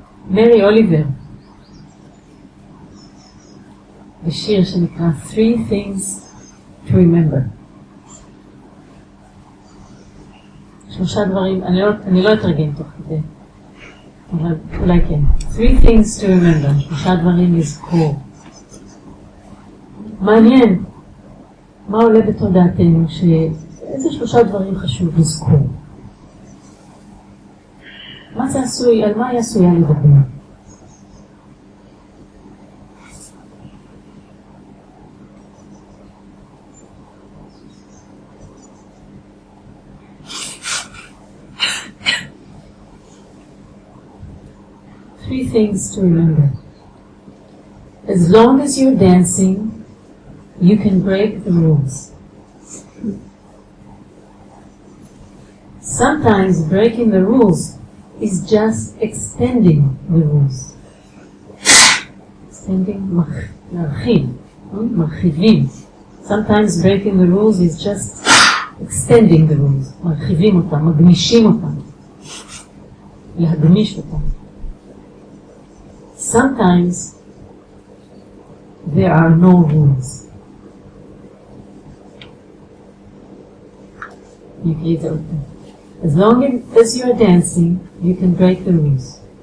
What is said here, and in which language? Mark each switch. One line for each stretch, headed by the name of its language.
Hebrew: מרי אוליבר בשיר שנקרא Three Things to Remember. שלושה דברים, אני לא אתרגם תוך כדי, אבל אולי כן.
English: Three things to remember,
Hebrew: שלושה דברים לזכור. מעניין, מה עולה בתודעתנו שאיזה שלושה דברים חשוב לזכור? מה זה עשוי, על מה היא עשויה לדבר?
English: Things to remember. As long as you're dancing, you can break the rules. Sometimes breaking the rules is just extending the rules.
Hebrew: Extending, להרחיב, מרחיבים.
English: Sometimes breaking the rules is just extending the rules.
Hebrew: מרחיבים אותם, מגמישים אותם. להגמיש אותם.
English: Sometimes there are no rules. You can read it open. As long as you are dancing, you can break the rules.